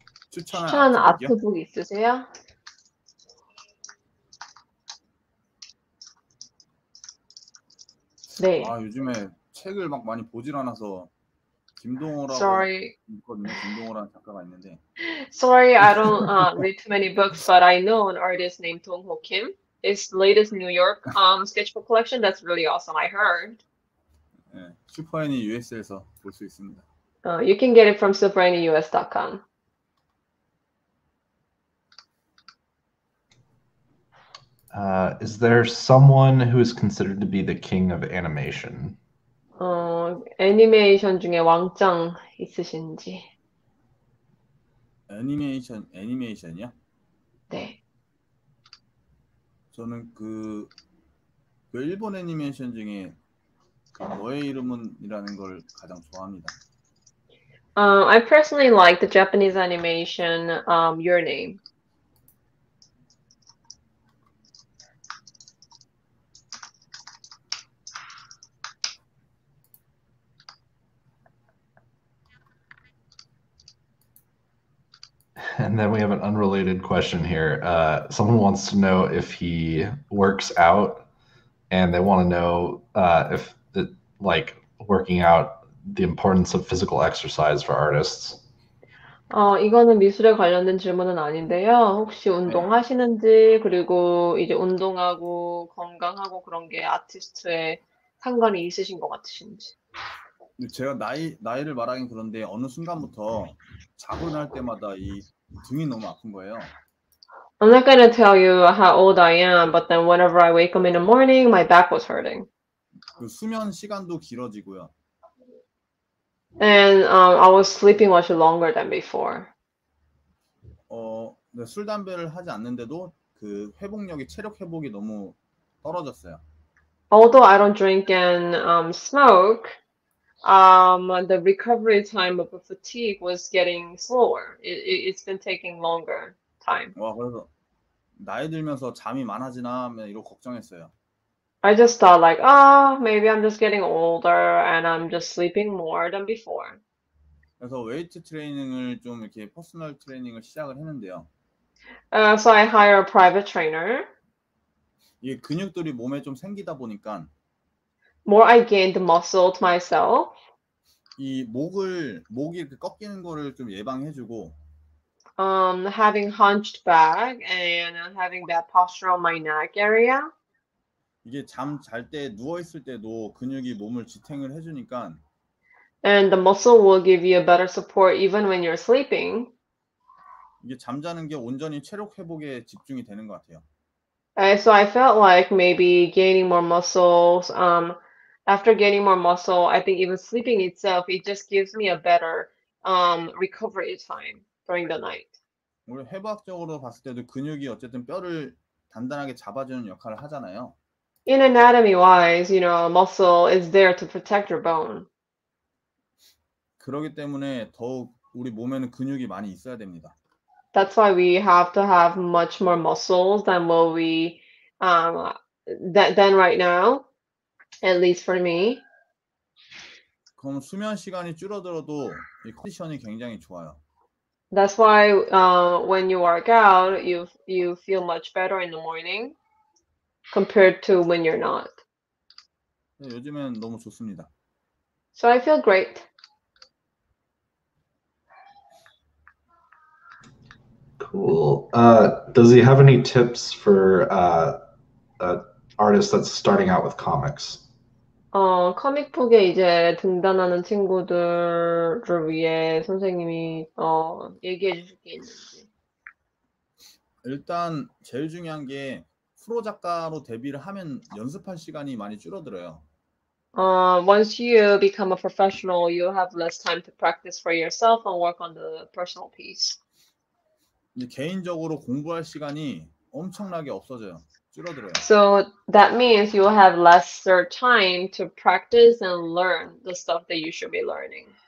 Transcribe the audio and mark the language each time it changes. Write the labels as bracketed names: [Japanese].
[Korean] 추천하는 아트북 있으세요? 네. 아, 요즘에 책을 막 많이 보질 않아서 김동호라고 [English] Sorry. [Korean] 있거든요. 김동호라는 작가가 있는데. [English] Sorry, I don't read too many books, but I know an artist named Dong-ho Kim. His latest New York sketchbook collection. That's really awesome. I heard. [Korean] 네, 슈퍼애니 US에서 볼 수 있습니다. [English] You can get it from superannyus.com. Is there someone who is considered to be the king of animation? [Korean] 애니메이션 중에 왕짱 있으신지. 애니메이션이요? 네. 저는 그 일본 애니메이션 중에 너의 이름은이라는 걸 가장 좋아합니다. [English] I personally like the Japanese animation Your Name. And then we have an unrelated question here. Someone wants to know if he works out, and they want to know if the, like working out, the importance of physical exercise for artists. [Korean] 이거는 미술에 관련된 질문은 아닌데요. 혹시 운동하시는지, 그리고 이제 운동하고 건강하고 그런 게 아티스트의 상관이 있으신 것 같으신지. 제가 나이를 말하긴 그런데 어느 순간부터 자고 일어날 때마다 이 등이 너무 아픈 거예요. [English] I'm not going to tell you how old I am, but then whenever I wake up in the morning, my back was hurting. [Korean] 그 수면 시간도 길어지고요. [English] And I was sleeping much longer than before. [Korean] 네, 술 담배를 하지 않는데도 그 회복력이 체력 회복이 너무 떨어졌어요. [English] Although I don't drink and smoke, the recovery time of the fatigue was getting slower. It's been taking longer time. [Korean] 와, 그래서 나이 들면서 잠이 많아지나 하면 이러고 걱정했어요. [English] I just thought like, ah, oh, maybe I'm just getting older and I'm just sleeping more than before. [Korean] 그래서 웨이트 트레이닝을 좀 이렇게 퍼스널 트레이닝을 시작을 했는데요. [English] So I hire a private trainer. [Korean] 이게 근육들이 몸에 좀 생기다 보니까 [English] More I gained muscle to myself. [Korean] 이 목이 이렇게 꺾이는 거를 좀 예방해주고 [English] Having hunched back and having bad posture on my neck area. [Korean] 이게 잠잘때 누워 있을 때도 근육이 몸을 지탱을 해주니까 [English] And the muscle will give you a better support even when you're sleeping. [Korean] 이게 잠자는 게 온전히 체력 회복에 집중이 되는 것 같아요. [English] And so I felt like maybe gaining more muscles. After gaining more muscle, I think even sleeping itself, it just gives me a better recovery time during the night. [Korean] 우리 해부학적으로 봤을 때도 근육이 어쨌든 뼈를 단단하게 잡아주는 역할을 하잖아요. [English] In anatomy wise, muscle is there to protect your bone. [Korean] 그러기 때문에 더욱 우리 몸에는 근육이 많이 있어야 됩니다. [English] That's why we have to have much more muscles than what we than right now, at least for me. [Korean] 그럼 수면 시간이 줄어들어도 이 컨디션이 굉장히 좋아요. [English] That's why when you work out, you feel much better in the morning compared to when you're not. [Korean] 네, 요즘엔 너무 좋습니다. [English] So I feel great. Cool. Does he have any tips for artist that's starting out with comics? [Korean] 코믹북에 이제 등단하는 친구들을 위해 선생님이 얘기해 주실 게 있는지. 일단 제일 중요한 게 프로 작가로 데뷔를 하면 연습할 시간이 많이 줄어들어요. [English] Once you become a professional, you have less time to practice for yourself and work on the personal piece. [Korean] 개인적으로 공부할 시간이 엄청나게 없어져요. 줄어들어요. [English] So that means you'll have lesser time to practice and learn the stuff that you should be learning.